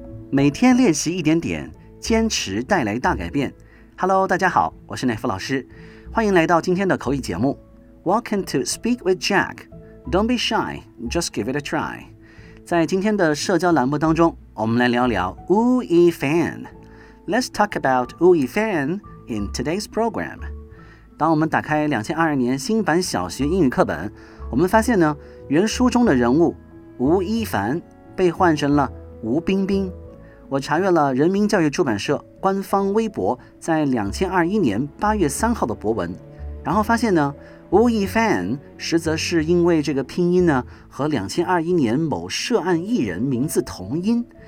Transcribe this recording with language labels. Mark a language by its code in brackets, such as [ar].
[zh] 每天练习一点点，坚持带来大改变。 Hello， 大家好，我是乃夫老师，欢迎来到今天的口语节目。 [en] Welcome to Speak with Jack. Don't be shy, just give it a try. [zh] 在今天的社交栏目当中，我们来聊聊 Wu Yi Fan. [en] Let's talk about Wu Yi Fan in today's program. [zh] 当我们打开2022年新版小学英语课本，我们发现呢，原书中的人物吴亦凡被换成了吴冰冰。我查阅了人民教育出版社官方微博在2021年8月3号的博文，然后发现呢，吴亦凡实则是因为这个拼音呢和2021年某涉案艺人名字同音。